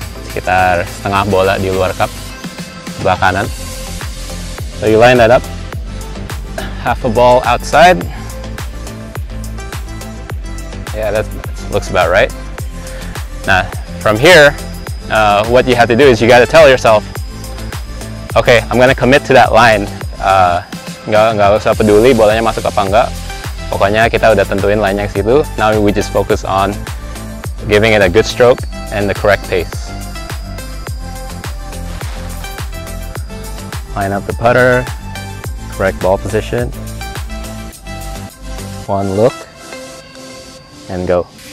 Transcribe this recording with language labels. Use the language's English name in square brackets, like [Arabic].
[Indonesian] sekitar setengah bola di luar cup, sebelah kanan. [English] So you line that up, half a ball outside. Yeah, that looks about right. Now, from here, what you have to do is you got to tell yourself, okay, I'm gonna commit to that line. [Indonesian] Nggak usah peduli bolanya masuk apa enggak. Pokoknya kita udah tentuin line-nya ke situ. [English] Now we just focus on giving it a good stroke and the correct pace. Line up the putter, correct ball position. One look and go.